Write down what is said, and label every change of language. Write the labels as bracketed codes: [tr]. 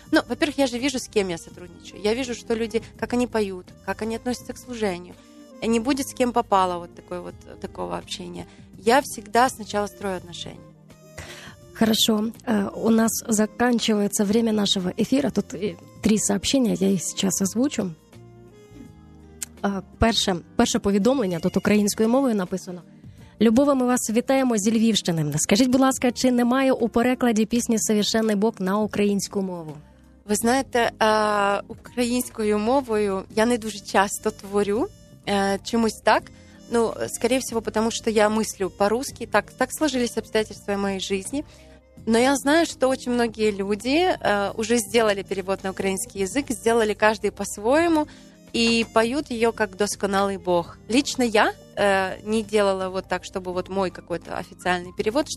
[ru] Ну, во-первых, я же вижу, с кем я сотрудничаю. Я вижу, что люди, как они поют, как они относятся к служению. Не будет с кем попало вот, такое вот такого общения. Я всегда сначала строю отношения. Хорошо. У нас заканчивается время нашего эфира. Тут 3 сообщения, я их сейчас озвучу. [uk] перше повідомлення тут українською мовою написано. Любове, ми вас вітаємо зі Львівщини. Скажіть, будь ласка, чи немає у перекладі пісні «Совершенний Бог» на українську мову? Ви знаєте, українською мовою я не дуже часто творю чомусь так. Ну, скоріше всього, тому що я мислю по-русски. [ru] Так сложились обстоятельства [uk] в моїй житті. [ru] Но я знаю, что очень многие люди уже сделали перевод на украинский язык, сделали каждый по-своему и поют ее как «Досконалый Бог». Лично я не делала вот так, чтобы вот мой какой-то официальный перевод.